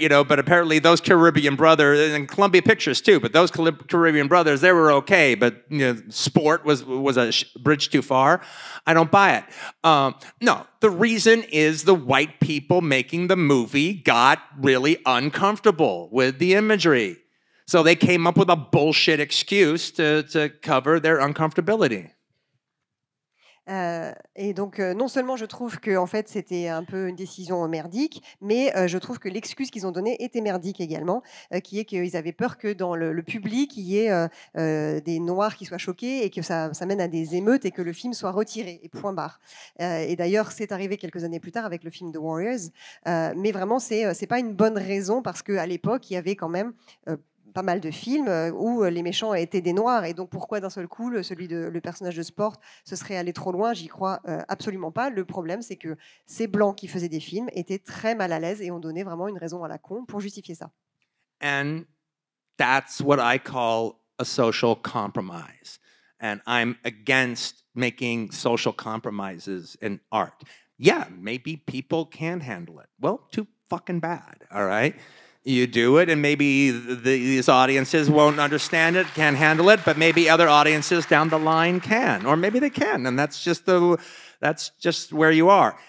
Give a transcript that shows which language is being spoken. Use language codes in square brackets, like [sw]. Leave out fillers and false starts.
[en] You know, but apparently those Caribbean Brothers, and Columbia Pictures too, but those Caribbean Brothers, they were okay, but you know, sport was a bridge too far. I don't buy it. No, the reason is the white people making the movie got really uncomfortable with the imagery. So they came up with a bullshit excuse to cover their uncomfortability. [fr] Et donc, non seulement je trouve que en fait c'était un peu une décision merdique, mais je trouve que l'excuse qu'ils ont donnée était merdique également, qui est qu'ils avaient peur que dans le public il y ait des noirs qui soient choqués et que ça mène à des émeutes et que le film soit retiré. Et point barre. Et d'ailleurs, c'est arrivé quelques années plus tard avec le film The Warriors. Mais vraiment, c'est pas une bonne raison parce qu'à l'époque, il y avait quand même pas mal de films où les méchants étaient des noirs. Et donc, pourquoi d'un seul coup, le personnage de sport, ce serait aller trop loin? J'y crois absolument pas. Le problème, c'est que ces blancs qui faisaient des films étaient très mal à l'aise et ont donné vraiment une raison à la con pour justifier ça. [en] And that's what I call a social compromise. And I'm against making social compromises in art. Yeah, maybe people can handle it. Well, too fucking bad, all right? You do it, and maybe these audiences won't understand it, can't handle it, but maybe other audiences down the line can, or maybe they can, and that's just where you are.